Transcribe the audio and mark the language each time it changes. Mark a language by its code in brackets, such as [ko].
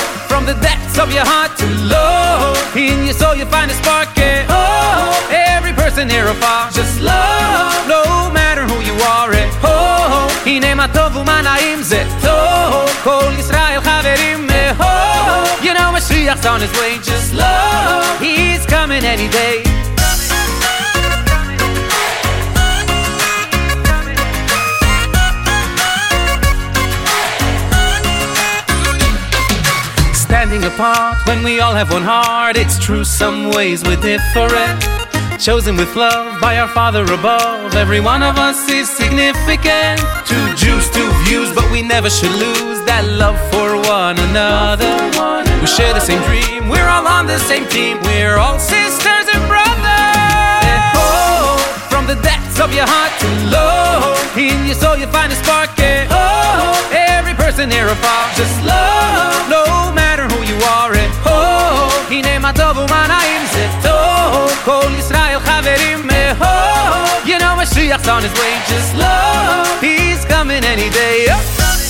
[en] From the depths of your heart to low, in your soul you find a spark. Every person here afar, just love, no matter who you are. [he] הנה מה טוב ומה נעים, זה טוב, כל ישראל חברים. [en] You know משיח's on his way, just love, he's coming any day. Standing apart, when we all have one heart, it's true some ways we're different. Chosen with love by our Father above, every one of us is significant. Two Jews, two views, but we never should lose that love for one another. We share the same dream, we're all on the same team, we're all sisters and brothers. At home, from the depths of your heart to low, in your soul you find a spark. At home, every person here afar, just love, no matter who you are. At home, [he] הנה מה טוב ומה נעים, זה טוב, כל ישראל חברים. [en] At home, you know משיח's on his way, just love, he's coming any day. Oh.